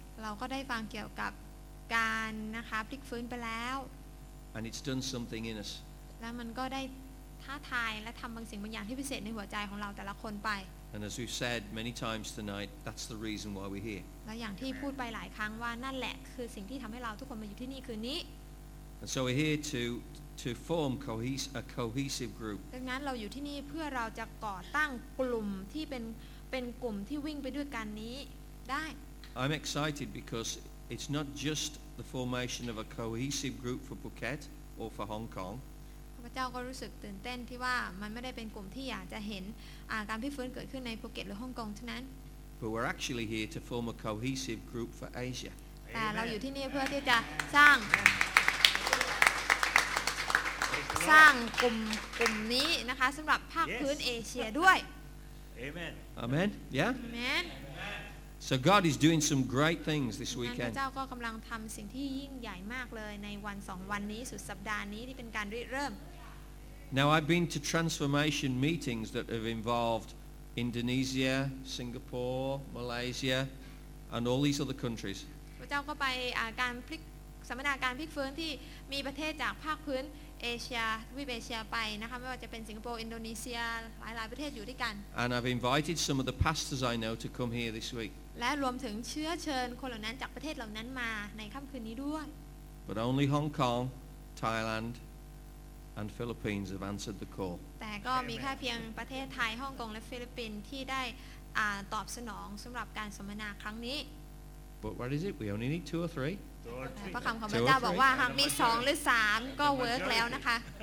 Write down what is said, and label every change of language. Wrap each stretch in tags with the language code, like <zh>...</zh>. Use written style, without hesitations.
<th>เราก็ได้ฟังเกี่ยวกับการนะคะพลิกฟื้นไปแล้ว</th> <en>And it's done something in us.</en> <th>แล้วมันก็ได้ท้าทายและทำบางสิ่งบางอย่างที่พิเศษในหัวใจของเราแต่ละคนไป</th> <en>And as we've said many times tonight, that's the reason why we're here.</en> <th>และอย่างที่พูดไปหลายครั้งว่านั่นแหละคือสิ่งที่ทำให้เราทุกคนมาอยู่ที่นี่คืนนี้</th> <en>And so we're here to form a cohesive group.</en> <th>ดังนั้นเราอยู่ที่นี่เพื่อเราจะก่อตั้งกลุ่มที่เป็นกลุ่มที่วิ่งไปด้วยกันนี้ได้</th> <en>I'm excited because it's not just the formation of a cohesive group for Phuket or for Hong Kong.</en> <th>พระเจ้าก็รู้สึกตื่นเต้นที่ว่ามันไม่ได้เป็นกลุ่มที่อยากจะเห็นการพิฟื้นเกิดขึ้นในภูเก็ตหรือฮ่องกงเท่านั้น</th> <en>But we're actually here to form a cohesive group for Asia. แต่เราอยู่ที่นี่เพื่อที่จะสร้างกลุ่มนี้นะคะสำหรับภาคพื้นเอเชียด้วย Amen. Amen. Yeah. Amen. So God is doing some great things this weekend.</en> <th>พระเจ้าก็กำลังทำสิ่งที่ยิ่งใหญ่มากเลยในวัน2วันนี้สุดสัปดาห์นี้ที่เป็นการเริ่ม</th> <en>Now I've been to transformation meetings that have involved Indonesia, Singapore, Malaysia, and all these other countries.</en> <th>พระเจ้าก็ไปการพลิกสัมมนาการพลิกฟื้นที่มีประเทศจากภาคพื้นเอเชียวิเอเชียไปนะคะไม่ว่าจะเป็นสิงคโปร์อินโดนีเซียหลายประเทศอยู่ด้วยกัน</th> <en>And I've invited some of the pastors I know to come here this week</en> <th>และรวมถึงเชื้อเชิญคนเหล่านั้นจากประเทศเหล่านั้นมาในค่ำคืนนี้ด้วย</th> <en>But only Hong Kong, Thailand and Philippines have answered the call</en> <th>แต่ก็มีแค่เพียงประเทศไทยฮ่องกงและฟิลิปปินส์ที่ได้ตอบสนองสำหรับการสัมมนาครั้งนี้</th> <en>But what is it? We only need two or three</en> <th>พระคำของพระเจ้าบอกว่าหากมี2หรือ3ก็เวิร์คแล้วนะคะ</th>